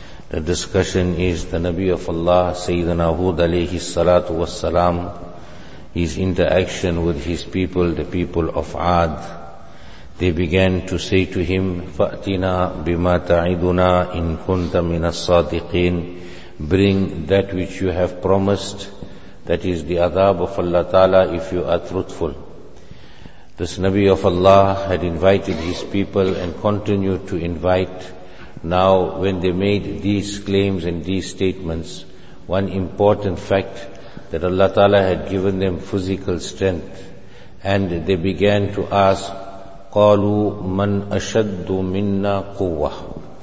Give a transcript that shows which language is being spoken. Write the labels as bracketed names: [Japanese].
[English] The discussion is the Nabi of Allah, Sayyidina Hud alayhi salatu wassalam, his interaction with his people, the people of Aad. They began to say to him, [Arabic] فَأْتِنَا بِمَا تَعِدُنَا إِن كُنْتَ مِنَ الصَّادِقِينَ. [English] Bring that which you have promised, that is the adab of Allah Ta'ala, if you are truthful. This Nabi of Allah had invited his people and continued to invite. Now, when they made these claims and these statements, one important fact that Allah Ta'ala had given them physical strength, and they began to ask, [Arabic] قَالُوا مَنْ أَشَدُّ مِنَّا قُوَّةً.